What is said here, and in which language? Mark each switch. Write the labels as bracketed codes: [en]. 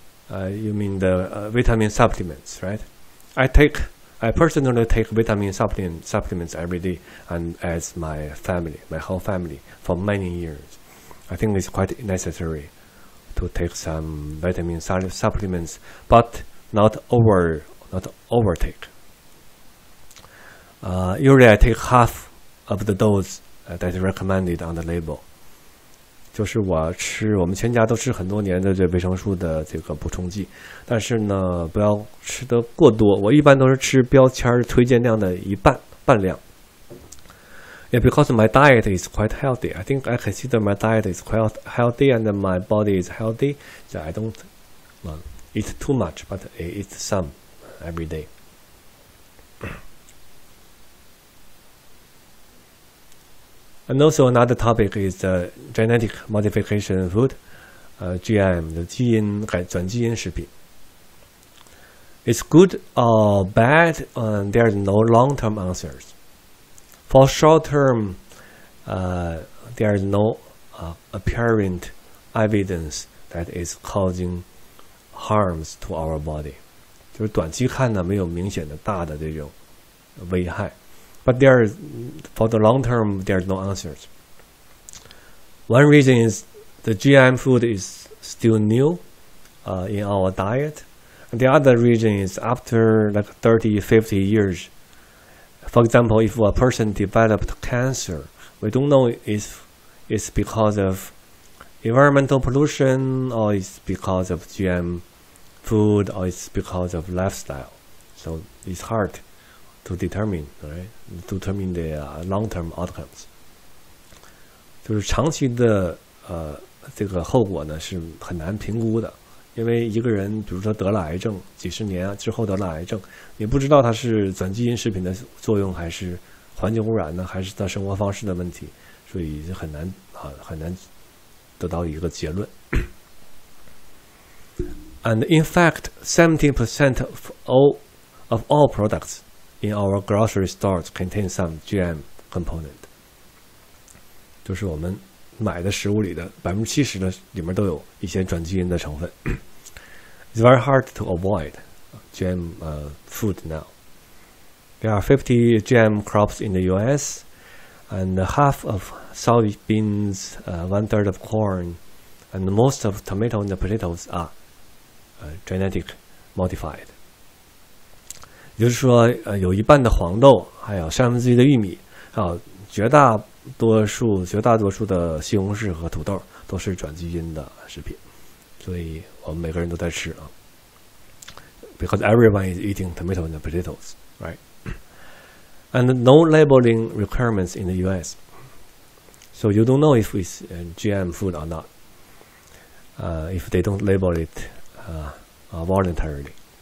[en] You mean the vitamin supplements, right? I personally take vitamin supplements every day, and as my whole family for many years. I think it's quite necessary to take some vitamin supplements, but not overtake. Usually I take half of the dose that is recommended on the label. [zh] 就是我们全家都吃很多年的这维生素的这个补充剂，但是呢不要吃得过多，我一般都是吃标签推荐量的半量。 [en] Yeah, because my diet is quite healthy, I think I consider my diet is quite healthy and my body is healthy, so I don't eat too much, but I eat some every day. And also another topic is genetic modification food, GM, the 基因改转基因食品. It's good or bad, there are no long-term answers. For short term, there is no apparent evidence that is causing harms to our body. [zh] 就是短期看呢，没有明显的大的这种危害。 [en] But there is, for the long term, there is no answers. One reason is the GM food is still new in our diet. And the other reason is after like 30, 50 years, for example, if a person developed cancer, we don't know if it's because of environmental pollution, or it's because of GM food, or it's because of lifestyle. So it's hard to determine, right? To determine the long-term outcomes. [zh] 就是长期的这个后果呢是很难评估的，因为一个人比如说得了癌症，几十年之后得了癌症，你不知道他是转基因食品的作用，还是环境污染呢，还是他生活方式的问题，所以就很难很难得到一个结论。 [en] And in fact, 70% of all products in our grocery stores contain some GM component. [zh] 就是我们买的食物里的70%的里面都有一些转基因的成分。 [en] It's very hard to avoid GM food now. There are 50 GM crops in the US, and half of soybeans, one-third of corn, and most of tomatoes and potatoes are genetic modified. [zh] 也就是说有一半的黄豆，还有三分之一的玉米，还有绝大多数的西红柿和土豆都是转基因的食品，所以我们每个人都在吃啊。 [en] Because everyone is eating tomatoes and potatoes, right? And no labeling requirements in the US. So you don't know if it's GM food or not, if they don't label it voluntarily.